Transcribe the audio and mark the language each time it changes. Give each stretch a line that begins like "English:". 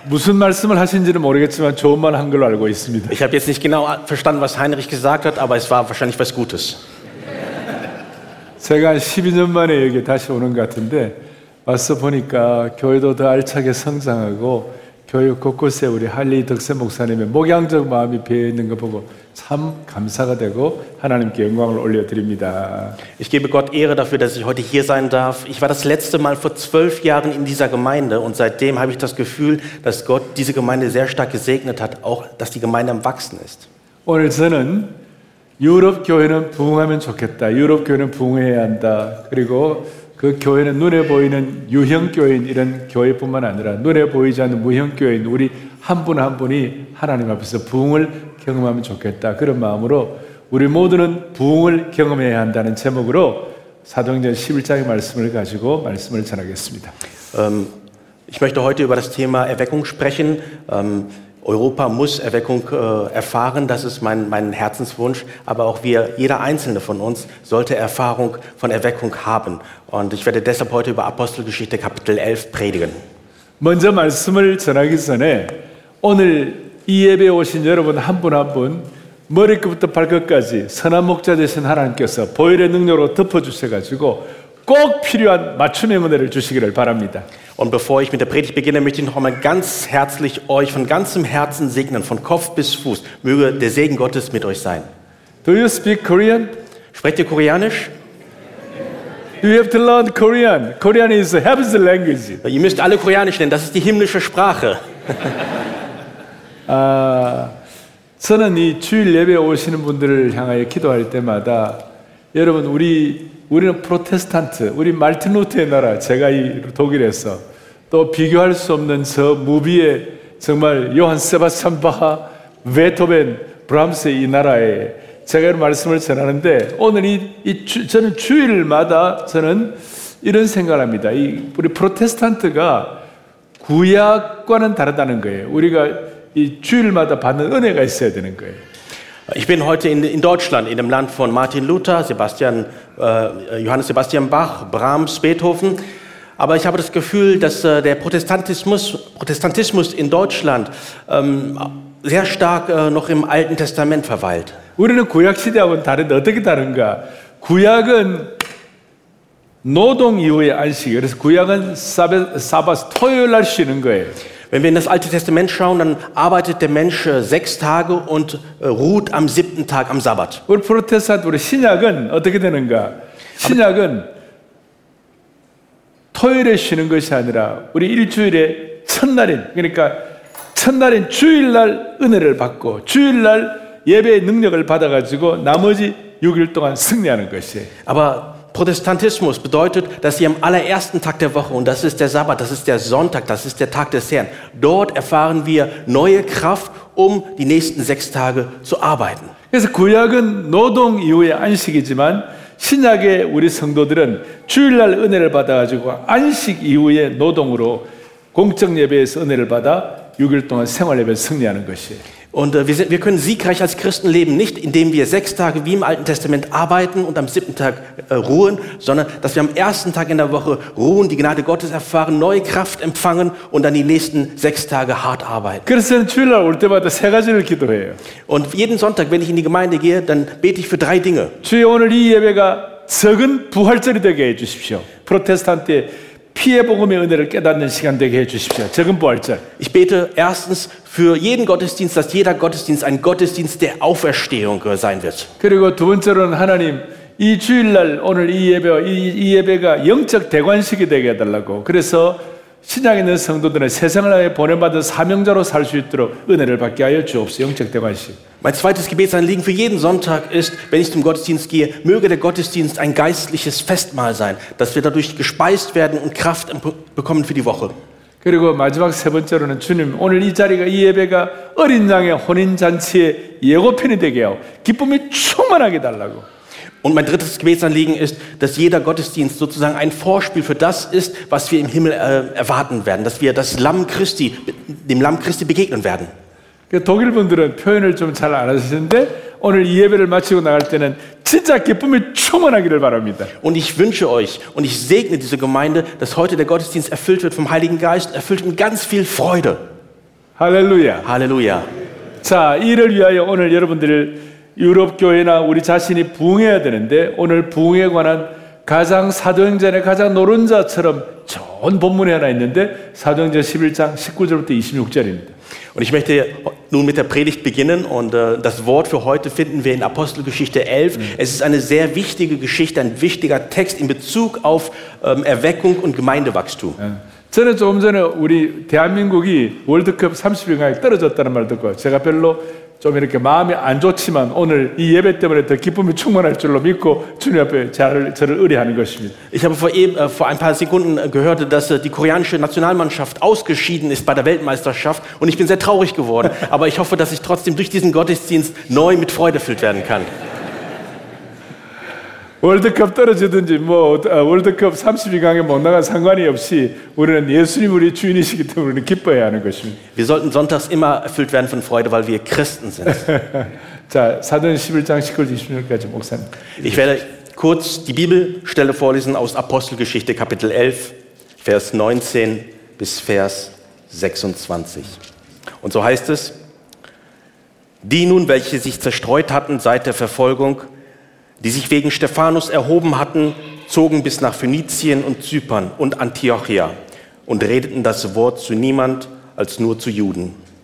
Korean: 무슨 말씀을 하신지는 모르겠지만 좋은 말 한 걸로 알고 있습니다.
German: Ich habe jetzt nicht genau verstanden, was Heinrich gesagt hat, aber es war wahrscheinlich was Gutes.
Korean: 제가 12년 만에 여기 다시 오는 것 같은데 와서 보니까 교회도 더 알차게 성장하고 교회 곳곳에 우리 할리 덕세 목사님의 목양적 마음이 배어 있는 거 보고 참 감사가 되고 하나님께 영광을 올려 드립니다.
German: Ich gebe Gott Ehre dafür, dass ich heute hier sein darf. Ich war das letzte Mal vor 12 Jahren in dieser Gemeinde und seitdem habe ich das Gefühl, dass Gott diese Gemeinde sehr stark gesegnet hat, auch dass die Gemeinde am Wachsen ist.
Korean: 오늘 저는 유럽 교회는 부흥하면 좋겠다. 유럽 교회는 부흥해야 한다. 그리고 그 교회는 눈에 보이는 유형 교회인 이런 교회뿐만 아니라 눈에 보이지 않는 무형 교회인 우리 한 분 한 분이 하나님 앞에서 부흥을 경험하면 좋겠다. 그런 마음으로 우리 모두는 부흥을 경험해야 한다는 제목으로 사도행전 11장의 말씀을 가지고 말씀을 전하겠습니다.
German: Ich möchte heute über das Thema Erweckung sprechen. Europa muss Erweckung erfahren, das ist mein Herzenswunsch, aber auch wir, jeder Einzelne von uns, sollte Erfahrung von Erweckung haben. Und ich werde deshalb heute über Apostelgeschichte Kapitel 11 predigen.
Korean: 먼저 말씀을 전하기 전에 오늘 이 예배에 오신 여러분 한 분 한 분 머리끝부터 발끝까지 선한 목자 되신 하나님께서 보혈의 능력으로 덮어주셔가지고 꼭 필요한 맞춤의 은혜를 주시기를 바랍니다.
German: Und bevor ich mit der Predigt beginne, möchte ich noch einmal ganz herzlich euch von ganzem Herzen segnen, von Kopf bis Fuß. Möge der Segen Gottes mit euch sein.
English: Do you speak Korean?
German: Sprecht ihr Koreanisch?
English: You have to learn Korean. Korean is the heavenly language.
German: Ihr müsst alle Koreanisch lernen, das ist die himmlische Sprache.
Korean: 저는 이 주일 예배에 오시는 분들을 향하여 기도할 때마다 여러분 우리는 프로테스탄트, 우리 말틴 루터의 나라, 제가 이 독일에서 또 비교할 수 없는 저 무비의 정말 요한 세바스찬 바하, 베토벤, 브람스의 이 나라에 제가 이런 말씀을 전하는데 오늘 저는 주일마다 저는 이런 생각을 합니다. 우리 프로테스탄트가 구약과는 다르다는 거예요. 우리가 이 주일마다 받는 은혜가 있어야 되는 거예요.
German: Ich bin heute in Deutschland, in dem Land von Martin Luther, Johannes Sebastian Bach, Brahms, Beethoven. Aber ich habe das Gefühl, dass der Protestantismus in Deutschland sehr stark noch im Alten Testament verweilt.
Korean: 우리는 구약 시대하고는 다른데 어떻게 다른가? 구약은 노동 이후의 안식. 그래서 구약은 사바스 토요일 날 쉬는 거예요.
German: Wenn wir in das Alte Testament schauen, dann arbeitet der Mensch 6 Tage und ruht am 7. Tag, am Sabbat.
Korean: 우리 프로테스탄트, 우리 신약은 어떻게 되는가? 신약은 토요일에 쉬는 것이 아니라 우리 일주일에 첫날인, 그러니까 첫날인 주일날 은혜를 받고 주일날 예배의 능력을 받아가지고 나머지 6일 동안 승리하는 것이.
German: Protestantismus bedeutet, dass sie am allerersten Tag der Woche, und das ist der Sabbat, das ist der Sonntag, das ist der Tag des Herrn, dort erfahren wir neue Kraft, um die nächsten 6 Tage zu arbeiten.
Korean: 그래서 구약은 노동 이후의 안식이지만 신약의 우리 성도들은 주일날 은혜를 받아가지고 안식 이후의 노동으로 공적 예배에서 은혜를 받아 6일 동안 생활 예배 승리하는 것이에요.
German: Und wir können siegreich als Christen leben, nicht indem wir 6 Tage wie im Alten Testament arbeiten und am 7. Tag ruhen, sondern dass wir am 1. Tag in der Woche ruhen, die Gnade Gottes erfahren, neue Kraft empfangen und dann die nächsten 6 Tage hart arbeiten.
Korean: 그래서 주일날 올 때마다 세 가지를 기도해요.
German: Und jeden Sonntag, wenn ich in die Gemeinde gehe, dann bete ich für 3 Dinge.
Korean: 주여, 오늘 이 예배가 적은 부활절이 되게 해 주십시오. 프로테스탄트의 피의 복음의 은혜를 깨닫는 시간 되게 해 주십시오. 적은 부활절.
German: Ich bete erstens für jeden Gottesdienst, dass jeder Gottesdienst ein Gottesdienst der Auferstehung sein wird.
Korean: 그리고 두 번째로는 하나님, 이 주일날 오늘 이 예배와 이 예배가 영적 대관식이 되게 해 달라고. 그래서 신약에 있는 성도들은 세상을 향해 보내받은 사명자로 살 수 있도록 은혜를 받게 하여 주옵소서. 영적 대관식.
German: Mein zweites Gebetsanliegen für jeden Sonntag ist, wenn ich zum Gottesdienst gehe, möge der Gottesdienst ein geistliches Festmahl sein, dass wir dadurch gespeist werden und Kraft bekommen für die Woche.
Korean: 그리고 마지막 세 번째로는 주님, 오늘 이 자리가 이 예배가 어린 양의 혼인 잔치의 예고편이 되게 하고 기쁨이 충만하게 달라고.
German: Und mein drittes Gebetsanliegen ist, dass jeder Gottesdienst sozusagen ein Vorspiel für das ist, was wir im Himmel erwarten werden, dass wir dem Lamm Christi begegnen werden.
Korean: 독일 분들은 표현을 좀 잘 안 하시는데 오늘 이 예배를 마치고 나갈 때는 진짜 기쁨이 충만하기를 바랍니다.
German: Und ich wünsche euch und ich segne diese Gemeinde, dass heute der Gottesdienst erfüllt wird vom Heiligen Geist, erfüllt mit ganz viel Freude. Halleluja. Halleluja.
Korean: 자, 이를 위하여 오늘 여러분들을 유럽 교회나 우리 자신이 부흥해야 되는데 오늘 부흥에 관한 가장 사도행전의 가장 노른자처럼 좋은 본문이 하나 있는데 사도행전 11장 19절부터 26절입니다.
German: Und ich möchte nun mit der Predigt beginnen und das Wort für heute finden wir in Apostelgeschichte 11. Es ist eine sehr wichtige Geschichte, ein wichtiger Text in Bezug auf Erweckung und Gemeindewachstum.
Korean: 저는 조금 전에 우리 대한민국이 월드컵 30위가에 떨어졌다는 말 듣고 제가 별로 좀 이렇게 마음이 안 좋지만 오늘 이 예배 때문에 더 기쁨이 충만할 줄로 믿고 주님 앞에 저를 의뢰하는 것입니다.
German: Ich habe vor ein paar Sekunden gehört, dass die koreanische Nationalmannschaft ausgeschieden ist bei der Weltmeisterschaft und ich bin sehr traurig geworden, aber ich hoffe, dass ich trotzdem durch diesen Gottesdienst neu mit Freude erfüllt werden kann.
Korean: 월드컵 떨어지든지 뭐 월드컵 32강에 못 나간 상관이 없이 우리는 예수님 우리 주인이시기 때문에 우리는 기뻐해야 하는 것입니다.
German: Wir sollten sonntags immer erfüllt werden von Freude, weil wir Christen sind.
Korean: 자, 사도행전 11장 19절 20절까지 목사님.
German: Ich werde kurz die Bibelstelle vorlesen aus Apostelgeschichte Kapitel 11, Vers 19 bis Vers 26. Und so heißt es: Die nun, welche sich zerstreut hatten seit der Verfolgung, die sich wegen Stephanus erhoben hatten, zogen bis nach Phönizien und Zypern und Antiochia und redeten das Wort zu niemand als nur zu Juden.